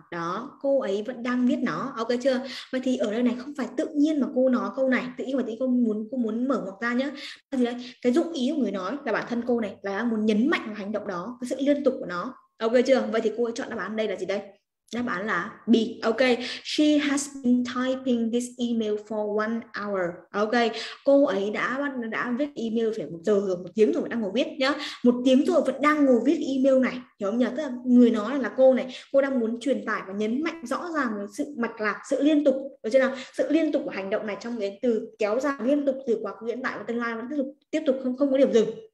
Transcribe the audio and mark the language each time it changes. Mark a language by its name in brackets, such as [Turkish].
[Vietnamese] Đó, cô ấy vẫn đang viết nó. Ok chưa? Vậy thì ở đây này không phải tự nhiên mà cô nói câu này, tự nhiên mà tí cô muốn mở ngoặc ra nhá. Cái dụng ý của người nói là bản thân cô này là muốn nhấn mạnh vào hành động đó, cái sự liên tục của nó. Ok chưa? Vậy thì cô ấy chọn đáp án đây là gì đây? Đáp án là B. Ok. [English] She has been typing this email for one hour. Ok. [Vietnamese] Cô ấy đã viết email phải 1 giờ, 1 tiếng rồi đang ngồi viết nhá. 1 tiếng rồi vẫn đang ngồi viết email này. Hiểu không nhỉ? Tức là người nói là cô này, cô đang muốn truyền tải và nhấn mạnh rõ ràng sự mạch lạc, sự liên tục. Được chưa nào? Sự liên tục của hành động này trong cái từ kéo dài liên tục từ quá khứ hiện tại và tương lai vẫn tiếp tục không có điểm dừng.